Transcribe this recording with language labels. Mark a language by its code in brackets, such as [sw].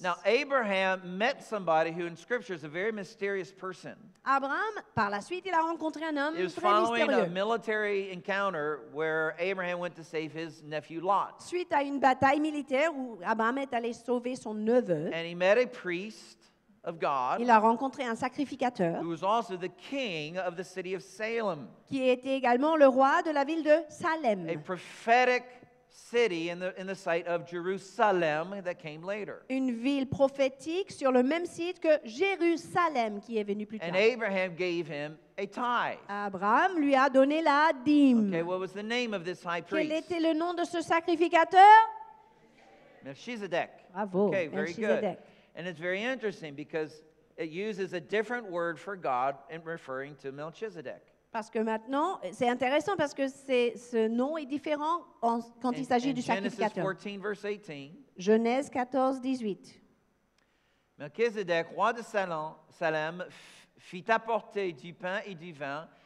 [en] Now Abraham met somebody who in scripture is a very mysterious person. [fr] Abraham, par la suite, il a rencontré un homme [en] it was [fr] très [en] following [fr] mystérieux. [en] A military encounter where Abraham went to save his nephew Lot. [fr] Suite à une bataille militaire où Abraham est allé sauver son neveu. [en] And he met a priest of God. [fr] Il a rencontré un sacrificateur. [en] Who was also the king of the city of Salem. [fr] Qui était également le roi de la ville de Salem. [en] A prophetic city in the site of Jerusalem that came later. [fr] Une ville prophétique sur le même site que Jérusalem qui est venu plus tard. [en] And Abraham gave him a tithe. [fr] Abraham lui a donné la dîme. [en] Okay, what was the name of this high priest? [fr] Quel était le nom de ce sacrificateur? [en] Melchizedek. [fr] Bravo. [en] Okay, very good. And it's very interesting because it uses a different word for God in referring to Melchizedek. [fr] Parce que maintenant, c'est intéressant parce que ce nom est différent quand il s'agit du sacrificateur. [en] Genesis 14, verse 18. [fr] Genèse 14, 18. Melchizedek, roi de Salem, fit apporter du pain et du vin.